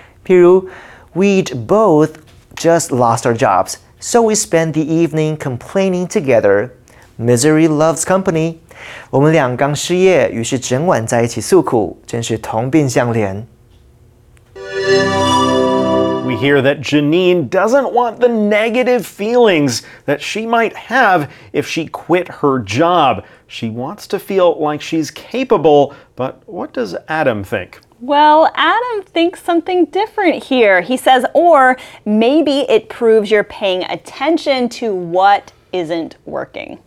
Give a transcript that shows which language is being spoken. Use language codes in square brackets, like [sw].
[zh] 譬如 [en] we'd both just lost our jobs, so we spent the evening complaining together. Misery loves company. [zh] 我们俩刚失业，于是整晚在一起诉苦，真是同病相怜。 [en] We hear that Janine doesn't want the negative feelings that she might have if she quit her job. She wants to feel like she's capable, but what does Adam think? Well, Adam thinks something different here. He says, or maybe it proves you're paying attention to whatisn't working.